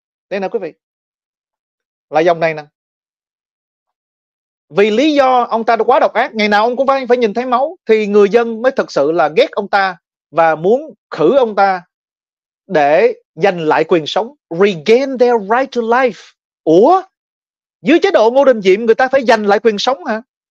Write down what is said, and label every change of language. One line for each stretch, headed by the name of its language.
Vietnamese: Đây nè quý vị. Là dòng này nè. Vì lý do ông ta đã quá độc ác, ngày nào ông cũng phải nhìn thấy máu, thì người dân mới thực sự là ghét ông ta và muốn khử ông ta để giành lại quyền sống.
English: Regain their right to life.
Vietnamese: Ủa? Dưới chế độ Ngô Đình Diệm người ta phải giành lại quyền sống hả?